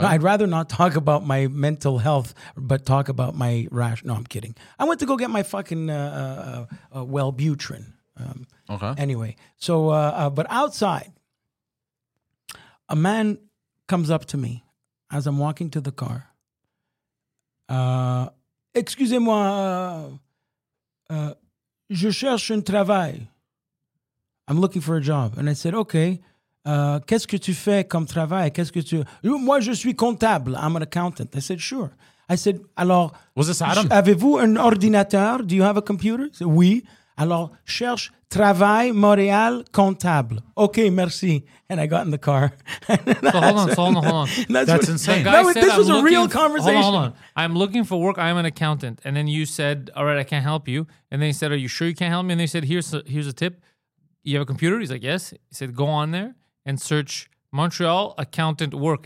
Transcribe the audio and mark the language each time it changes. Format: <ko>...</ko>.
<en>I'd rather not talk about my mental health, but talk about my rash. No, I'm kidding. I went to go get my fucking Wellbutrin. Okay. Anyway, so, but outside, a man comes up to me as I'm walking to the car.</en> <fr>Excusez-moi, je cherche un travail.</fr> <en>I'm looking for a job. And I said, okay,</en> <fr>qu'est-ce que tu fais comme travail? Qu'est-ce que tu... Moi, je suis comptable.</fr> <en>I'm an accountant. I said, sure. I said,</en> <fr>alors...</fr> <en>Was this Adam?</en> <fr>Avez-vous un ordinateur?</fr> <en>Do you have a computer? He said,</en> <fr>oui. Alors, cherche travail Montréal comptable.</fr> <en>Okay, merci. And I got in the car. Hold on. That's insane. This was a real conversation. I'm looking for work. I'm an accountant. And then you said, all right, I can't help you. And then he said, are you sure you can't help me? And they said, here's a tip. You have a computer? He's like, yes. He said, go on there and search Montreal accountant work.</en>